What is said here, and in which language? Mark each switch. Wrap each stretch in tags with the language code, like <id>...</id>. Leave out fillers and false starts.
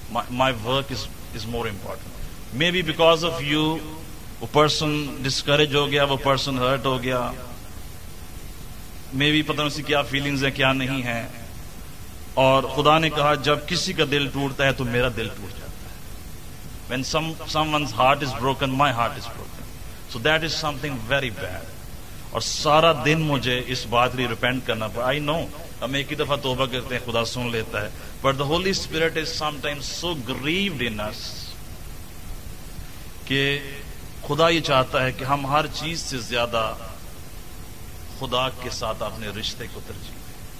<en>My work is more important. Maybe because of you</en> <hi>वो person discourage हो गया, वो पर्सन हर्ट हो गया.</hi> <en>maybe</en> <hi>पता नहीं क्या फीलिंग्स है, क्या नहीं है. और खुदा ने कहा जब किसी का दिल टूटता है तो मेरा दिल टूट जाता है.</hi> <en>When someone's heart is broken, my heart is broken. So that is something very bad.</en> <hi>और सारा दिन मुझे इस बात के लिए रिपेंट करना पड़ा.</hi> <en>I know</en> <hi>हम एक ही दफा तौबा करते हैं, खुदा सुन लेता है.</hi> <en>but the Holy Spirit is sometimes so grieved in us</en> <hi>कि खुदा ये चाहता है कि हम हर चीज से ज्यादा खुदा के साथ अपने रिश्ते को तरजीह दें.</hi>